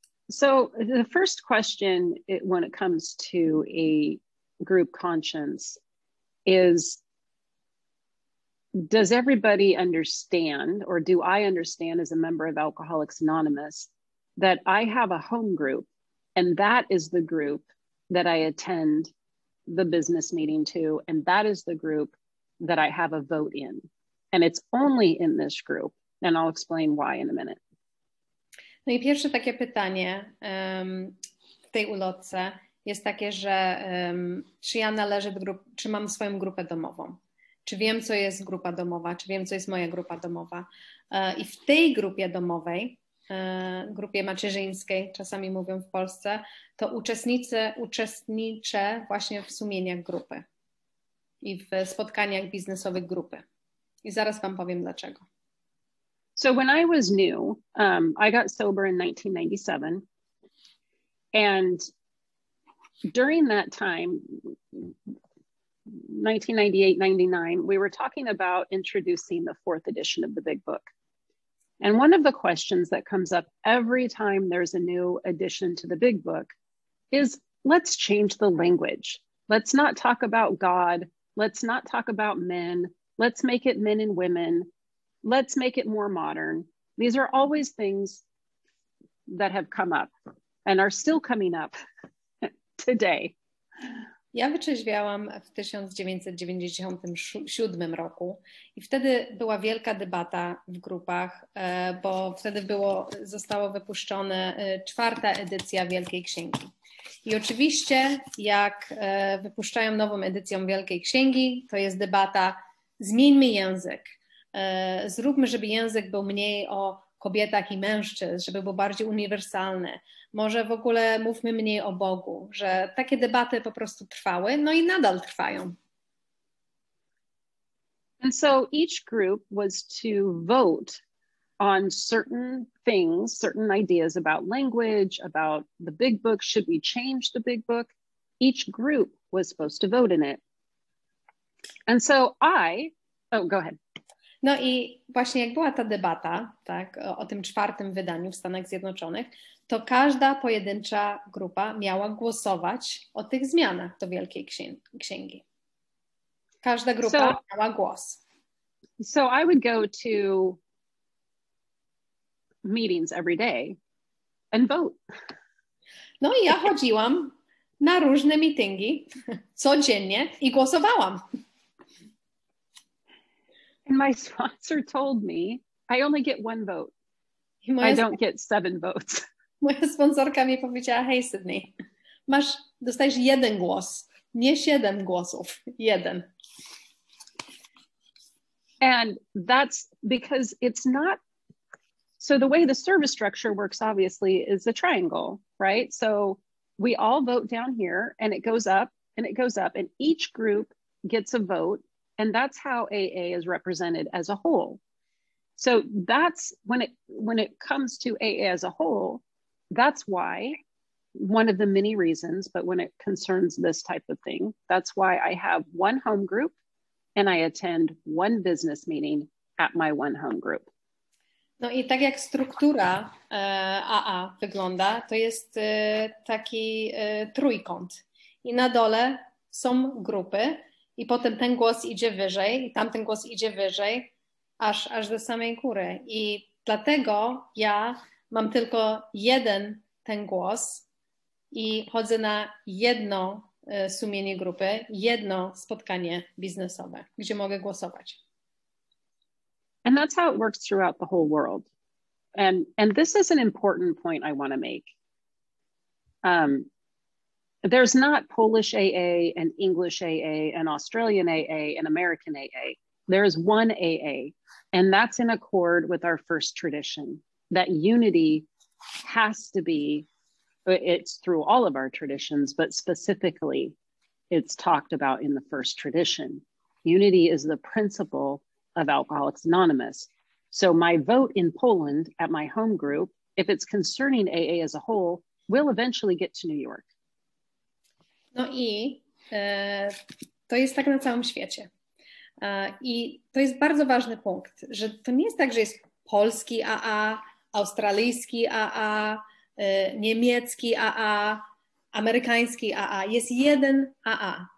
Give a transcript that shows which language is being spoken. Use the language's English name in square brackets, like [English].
[English] So the first question when it comes to a group conscience is, does everybody understand, or do I understand as a member of Alcoholics Anonymous, that I have a home group and that is the group that I attend the business meeting to, and that is the group that I have a vote in, and it's only in this group, and I'll explain why in a minute. [Polish] No i pierwsze takie pytanie w tej ulotce jest takie, że czy ja należę do grupy, czy mam swoją grupę domową? Czy wiem, co jest grupa domowa? Czy wiem, co jest moja grupa domowa? I w tej grupie domowej, grupie macierzyńskiej, czasami mówią w Polsce, to uczestniczę właśnie w sumieniach grupy i w spotkaniach biznesowych grupy. I zaraz wam powiem dlaczego. [English] So when I was new, I got sober in 1997. And during that time, 1998, 99, we were talking about introducing the fourth edition of the Big Book. And one of the questions that comes up every time there's a new addition to the Big Book is, let's change the language. Let's not talk about God. Let's not talk about men. Let's make it men and women. Let's make it more modern. These are always things that have come up and are still coming up today. [Polish] Ja wytrzeźwiałam w 1997 roku i wtedy była wielka debata w grupach, bo wtedy zostało wypuszczone czwarta edycja Wielkiej Księgi. I oczywiście jak wypuszczają nową edycję Wielkiej Księgi, to jest debata, zmieńmy język. Zróbmy, żeby język był mniej o kobietach i mężczyzn, żeby był bardziej uniwersalny. Może w ogóle mówmy mniej o Bogu, że takie debaty po prostu trwały, no i nadal trwają. [English] And so each group was to vote on certain things, certain ideas about language, about the big book, should we change the big book? Each group was supposed to vote in it. And so go ahead. [Polish] No i właśnie jak była ta debata, tak, o tym czwartym wydaniu w Stanach Zjednoczonych, to każda pojedyncza grupa miała głosować o tych zmianach do Wielkiej Księgi. Każda grupa miała głos. [English] So I would go to meetings every day and vote. [Polish] No i ja chodziłam na różne meetingi codziennie i głosowałam. [English] And my sponsor told me, I only get one vote. I don't get seven votes. [Polish] Moja sponsorka mi powiedziała, hey Sydney, dostajesz jeden głos, nie siedem głosów, jeden. [English] And that's because it's not, so the way the service structure works, obviously, is a triangle, right? So we all vote down here, and it goes up, and it goes up, and each group gets a vote. And that's how AA is represented as a whole. So that's when it comes to AA as a whole, that's why one of the many reasons, but when it concerns this type of thing, that's why I have one home group and I attend one business meeting at my one home group. [Polish] No i tak jak struktura AA wygląda, to jest taki trójkąt. I na dole są grupy, i potem ten głos idzie wyżej, i tamten głos idzie wyżej, aż do samej góry. I dlatego ja mam tylko jeden ten głos i chodzę na jedno sumienie grupy, jedno spotkanie biznesowe, gdzie mogę głosować. [English] And that's how it works throughout the whole world. And this is an important point I want to make. There's not Polish AA and English AA and Australian AA and American AA. There is one AA, and that's in accord with our first tradition, that unity has to be, it's through all of our traditions, but specifically it's talked about in the first tradition. Unity is the principle of Alcoholics Anonymous. So my vote in Poland at my home group, if it's concerning AA as a whole, will eventually get to New York. [Polish] No i to jest tak na całym świecie. I to jest bardzo ważny punkt, że to nie jest tak, że jest polski AA, australijski AA, niemiecki AA, amerykański AA, jest jeden AA.